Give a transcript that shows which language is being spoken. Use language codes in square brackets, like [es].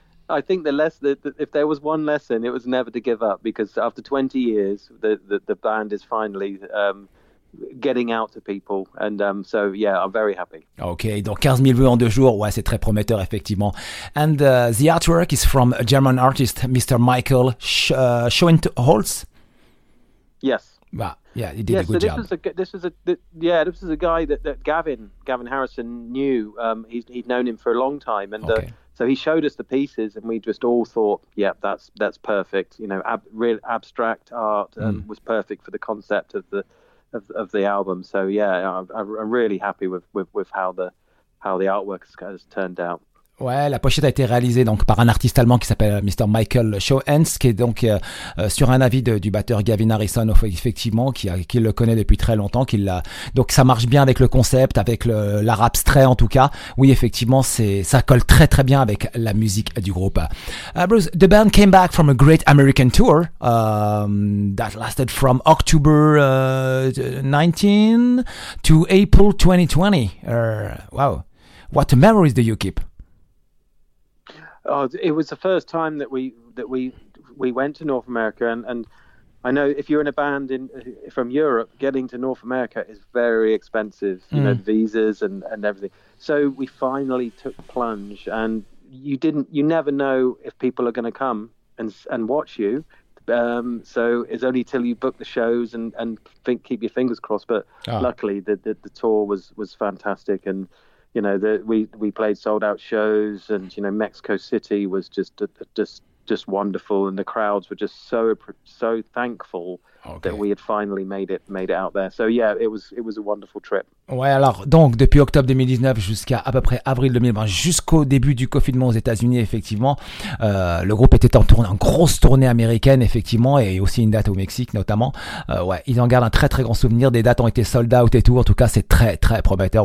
[en] I think if there was one lesson, it was never to give up, because after 20 years, the band is finally getting out to people, and so yeah, I'm very happy. [fr] Okay, donc 15,000 vues en deux jours, ouais, c'est très prometteur effectivement. [en] And the artwork is from a German artist, Mr. Michael Schoenholz. Yes. Wow. Yeah, he did a good job. This is a guy that Gavin Harrison knew. He'd known him for a long time, and so he showed us the pieces, and we just all thought, yeah, that's perfect. You know, real abstract art was perfect for the concept of the album. So yeah, I'm really happy with how the artwork has turned out. [fr] Ouais, la pochette a été réalisée donc par un artiste allemand qui s'appelle Mr. Michael Schoenholz, qui est donc sur un avis du batteur Gavin Harrison, effectivement, qui le connaît depuis très longtemps, qui l'a. Donc ça marche bien avec le concept, avec l'art abstrait en tout cas. Oui, effectivement, ça colle très très bien avec la musique du groupe. [en] Bruce, the band came back from a great American tour that lasted from October 19 to April 2020. Wow, what memories do you keep? Oh, it was the first time that we went to North America, and I know if you're in a band from Europe, getting to North America is very expensive, you know, visas and everything. So we finally took the plunge, and you never know if people are going to come and watch you. So it's only till you book the shows and keep your fingers crossed. But luckily, the tour was fantastic, and you know, we played sold out shows, and you know, Mexico City was just wonderful, and the crowds were just so thankful that we had finally made it out there. So yeah, it was a wonderful trip. [fr] Ouais, alors donc depuis octobre 2019 jusqu'à à peu près avril 2020, jusqu'au début du confinement aux États-Unis, effectivement, le groupe était en grosse tournée américaine, effectivement, et aussi une date au Mexique notamment. Ouais, ils en gardent un très très grand souvenir. Des dates ont été sold out et tout. En tout cas, c'est très très prometteur.